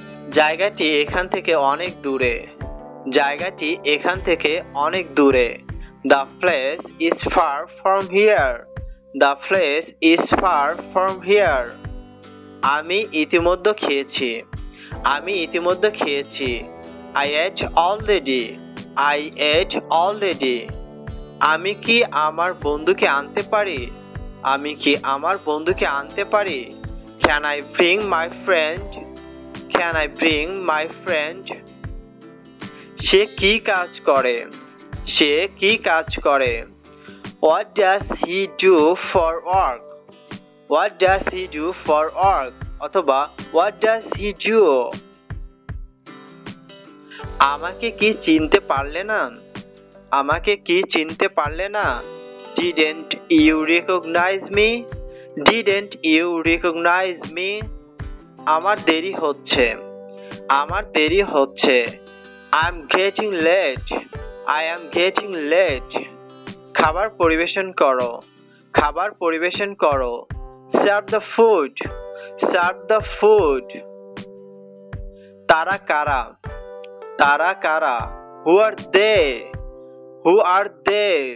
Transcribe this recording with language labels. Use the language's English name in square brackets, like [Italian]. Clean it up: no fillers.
[Bangla] জায়গাটি এখান থেকে অনেক দূরে, জায়গাটি এখান থেকে অনেক দূরে। [English] The place is far from here, the place is far from here। [Bangla] আমি ইতিমধ্যে খেয়েছি, আমি ইতিমধ্যে খেয়েছি। [English] I ate already, I ate already। [Bangla] আমি কি আমার বন্ধুকে আনতে পারি, আমি কি আমার বন্ধুকে আনতে পারি। [English] Can I bring my friend, can I bring my friend। [Bangla] সে কি কাজ করে, সে কি কাজ করে। [English] What does he do for work, what does he do for work। অথবা What does he do। [Bangla] আমাকে কি চিনতে পারলে না, আমাকে কি চিনতে পারলে না। [English] Didn't you recognize me, didn't you recognize me। [Bangla] আমার দেরি হচ্ছে, আমার দেরি হচ্ছে। [English] I'm getting late, I am getting late। [Bangla] খাবার পরিবেশন করো, খাবার পরিবেশন করো, [English] Serve the food, serve the food. [Bangla] তারা কারা, তারা কারা, [English] Who are they, who are they.